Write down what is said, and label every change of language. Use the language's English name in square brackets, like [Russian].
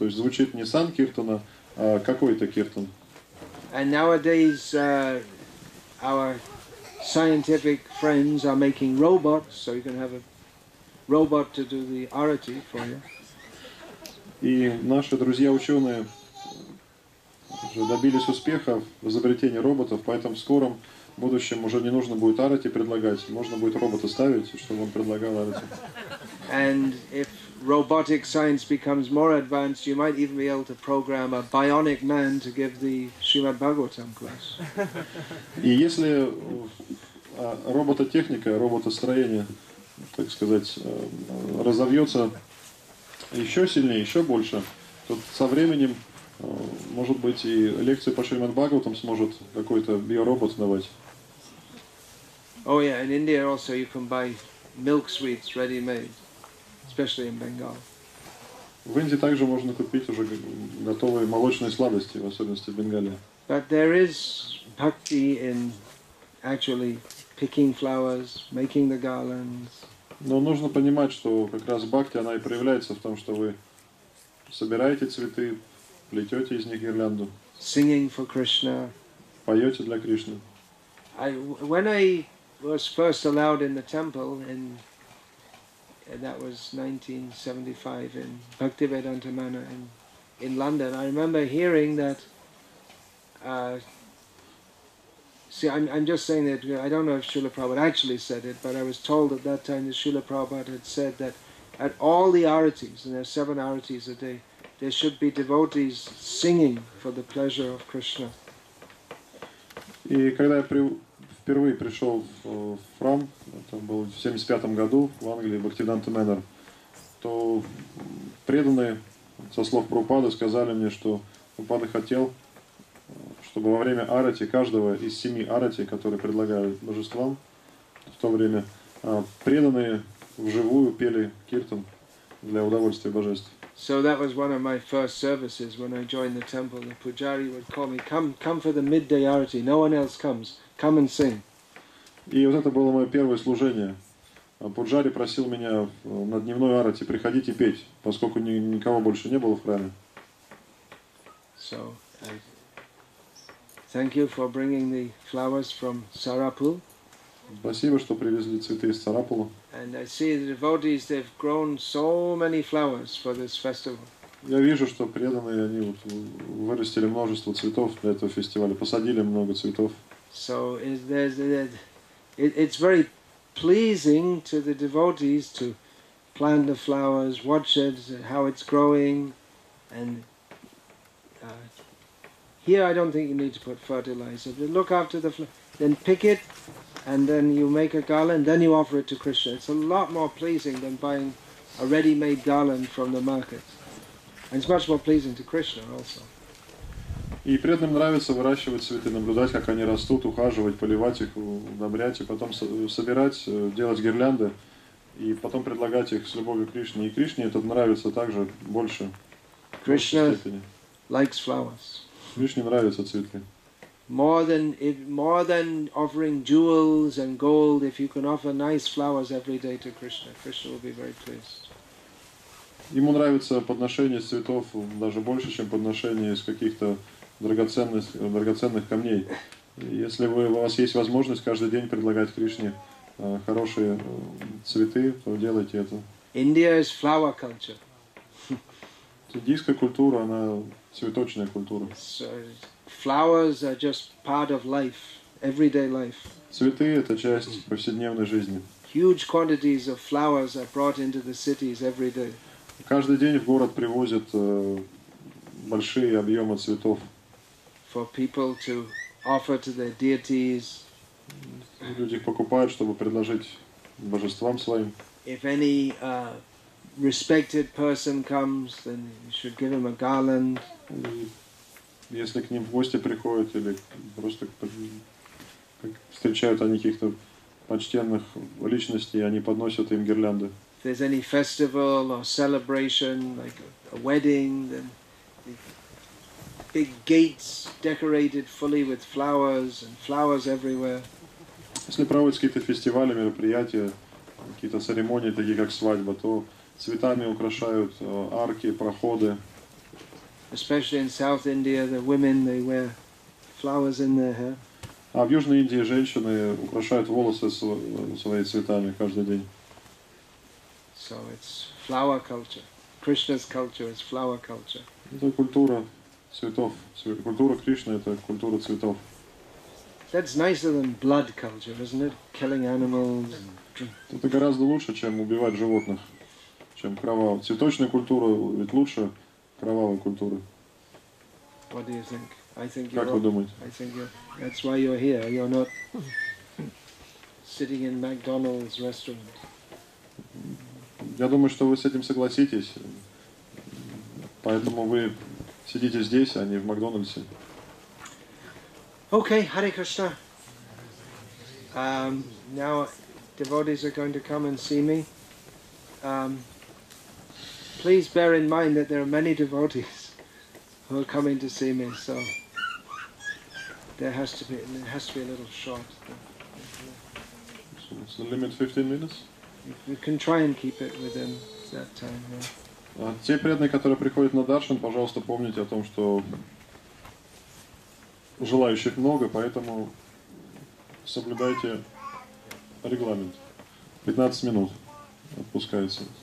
[Russian] То есть звучит не Санкиртана, а какой-то киртан. [English] And nowadays our scientific friends are making robots, so you can have a robot to do the arati for you. [Russian] И наши друзья-ученые уже добились успеха в изобретении роботов, поэтому в скором будущем уже не нужно будет арати предлагать, можно будет робота ставить, чтобы он предлагал арати. [English] And if robotic science becomes more advanced, you might even be able to program a bionic man to give the Srimad Bhagavatam class. [Russian] И если робототехника, роботостроение, так сказать, разовьется еще сильнее, еще больше, то со временем может быть, и лекцию по Шримад Бхагаватам сможет какой-то биоробот давать. [English] Oh, yeah, in India also you can buy milk sweets ready-made, especially in Bengal. [Russian] В Индии также можно купить уже готовые молочные сладости, в особенности в Бенгале. [English] But there is bhakti in actually picking flowers, making the garlands. [Russian] Но нужно понимать, что как раз бхакти, она и проявляется в том, что вы собираете цветы, плетете из них гирлянду. [English] Singing for Krishna. [Russian] Поете для Кришны. [English] When I was first allowed in the temple, in that was 1975 in Bhaktivedanta Manor in London, I remember hearing that. See, I'm just saying that I don't know if Srila Prabhupada actually said it, but I was told at that time that Srila Prabhupada had said that at all the aratis, and there are 7 aratis a day, there should be devotees singing for the pleasure of Krishna. [Russian] И когда я впервые пришел в храм, это было в 75 году в Англии, в Бхактивиданта Мэннер, то преданные со слов Прабхупады сказали мне, что Прабхупада хотел, чтобы во время арати, каждого из 7 арати, которые предлагали божествам в то время, преданные вживую пели киртан для удовольствия божеств. [English] So that was one of my first services when I joined the temple. The pujari would call me, come for the midday arati. No one else comes. Come and sing. [Russian] И вот это было мое первое служение. Пуджари просил меня на дневной арати приходить и петь, поскольку никого больше не было в храме. [English] So, thank you for bringing the flowers from Sarapul. [Russian] Спасибо, что привезли цветы из Сарапула. [English] And I see the devotees, they've grown so many flowers for this festival. [Russian] Я вижу, что преданные, они вот вырастили множество цветов для этого фестиваля, посадили много цветов. [English] So it's very pleasing to the devotees to plant the flowers, watch it, how it's growing, and here I don't think you need to put fertilizer, but look after the flower, then pick it, and then you make a garland, then you offer it to Krishna. It's a lot more pleasing than buying a ready-made garland from the market. And it's much more pleasing to Krishna also. [Russian] И преданным нравится выращивать цветы, наблюдать, как они растут, ухаживать, поливать их, удобрять, и потом собирать, делать гирлянды, и потом предлагать их с любовью Кришне. И Кришне это нравится также больше. [English] Krishna likes flowers. [Russian] Кришне нравятся цветы. [English] More than offering jewels and gold, if you can offer nice flowers every day to Krishna, Krishna will be very pleased. [Russian] Ему нравится подношение цветов даже больше, чем подношение из каких-то драгоценных камней. Если у вас есть возможность каждый день предлагать Кришне хорошие цветы, то делайте это. [English] India is flower culture. [Russian] Индийская культура, она цветочная культура. [English] Flowers are just part of life, everyday life. [Russian] Цветы – это часть повседневной жизни. [English] Huge quantities of flowers are brought into the cities every day. [Russian] Каждый день в город привозят большие объемы цветов. [English] For people to offer to their deities. [Russian] Люди их покупают, чтобы предложить божествам своим. [English] If any respected person comes, then you should give him a garland. [Russian] Если к ним в гости приходят или просто встречают они каких-то почтенных личностей, они подносят им гирлянды. [English] If there's any festival or celebration, like a wedding, then big gates decorated fully with flowers and flowers everywhere. [Russian] Если проводятся какие-то фестивали, мероприятия, какие-то церемонии, такие как свадьба, то цветами украшают арки, проходы. [English] Especially in South India, the women, they wear flowers in their hair. [Russian] А в Южной Индии женщины украшают волосы своими цветами каждый день. [English] So it's flower culture. Krishna's culture is flower culture. [Russian] Это культура цветов. Культура Кришны – это культура цветов. [English] That's nicer than blood culture, isn't it? Killing animals. [Russian] Это гораздо лучше, чем убивать животных, чем кровавая. Цветочная культура ведь лучше. Кровавой культуры. [English] What do you think? I think [Russian] как вы думаете? [English] I think that's why you're here. You're not sitting in McDonald's restaurant. [Russian] Я думаю, что вы с этим согласитесь. Поэтому вы сидите здесь, а не в Макдональдсе. [English] Okay, Hare Krishna. Now devotees are going to come and see me. please bear in mind that there are many devotees who are coming to see me, so there has to be a little short. So it's the limit 15 minutes? We can try and keep it within that time, yeah. [Russian] Те преданные, которые приходят на даршан, пожалуйста, помните о том, что желающих много, поэтому соблюдайте регламент. 15 минут отпускается.